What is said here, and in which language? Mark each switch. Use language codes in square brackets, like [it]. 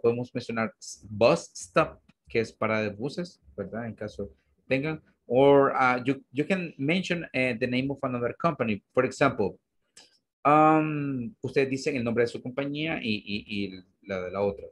[es] Podemos mencionar bus stop, que es parada de buses, ¿verdad? En caso tengan. [en] Or you can mention the name of another company. For example, [es] ustedes dicen el nombre de su compañía y la de la otra.